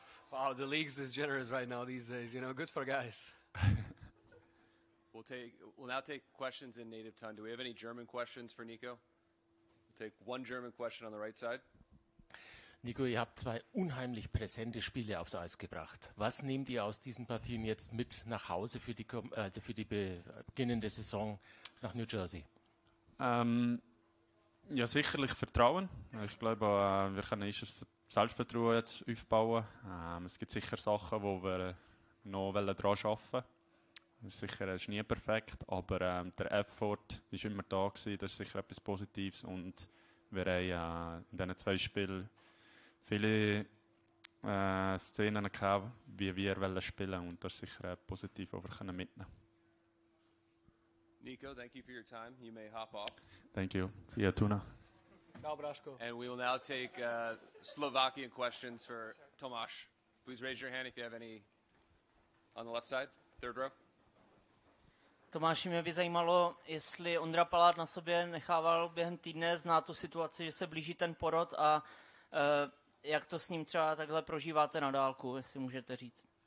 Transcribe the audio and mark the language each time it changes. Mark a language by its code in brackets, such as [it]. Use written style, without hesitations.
[en] Wow, the leagues is generous right now these days. You know, good for guys. We'll now take questions in native tongue. Do we have any German questions for Nico? We'll take one German question on the right side. [de] Nico, ihr habt zwei unheimlich präsente Spiele aufs Eis gebracht. Was nehmt ihr aus diesen Partien jetzt mit nach Hause für die beginnende Saison nach New Jersey? Ja, sicherlich Vertrauen. Ich glaube, wir können nicht vertrauen. Selbstvertrauen jetzt aufbauen. Es gibt sicher Sachen, wo wir noch daran arbeiten wollen. Sicher ist nie perfekt, aber der Effort war immer da gewesen. Das ist sicher etwas Positives. Und wir haben in diesen zwei Spielen viele Szenen gehabt, wie wir spielen wollen. Und das ist sicher positiv, was wir mitnehmen können. [en] Nico, thank you for your time. You may hop off. Thank you. See you, Tuna. And we will now take Slovakian questions for Tomáš. Please raise your hand if you have any on the left side, third row. [cs] Tomáš, mě by zajímalo, jestli Ondra Palát na sobě nechával během týdne znát tu situaci, že se blíží ten porod a jak to s ním třeba takhle prožíváte na dálku, jestli můžete říct.